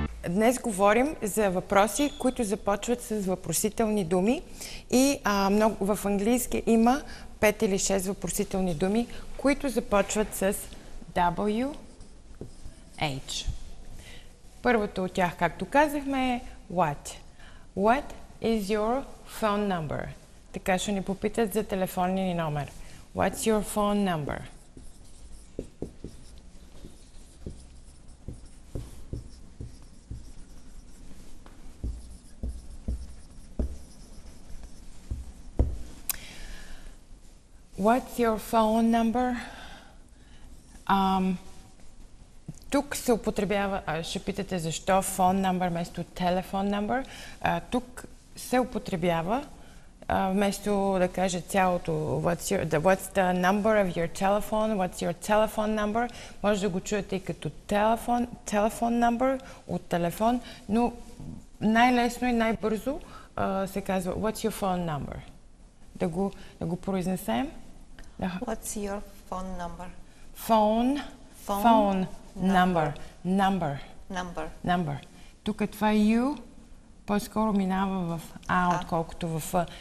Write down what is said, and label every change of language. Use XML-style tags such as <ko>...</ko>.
<bg>Днес говорим за въпроси, които започват с въпросителни думи и много, в английски има 5 или 6 въпросителни думи, които започват с WH. Първото от тях, както казахме, е What?</bg> <en>What is your phone number?</en> <bg>Така ще ни попитат за телефонния ни номер.</bg> <en>What's your phone number? What's your phone number?</en> <bg>Тук се употребява, ще питате защо phone number вместо telephone number. Тук се употребява вместо да каже цялото</bg> <en>what's the number of your telephone, what's your telephone number.</en> <bg>Може да го чуете и като telephone number от телефон, но най-лесно и най-бързо се казва</bg> <en>what's your phone number.</en> <bg>Да го произнесем.</bg> <en>What's your phone number? Phone number. Number. Number. Number.</en> <bg>Тук е това you, по-скоро минава в а, отколкото в а.</bg>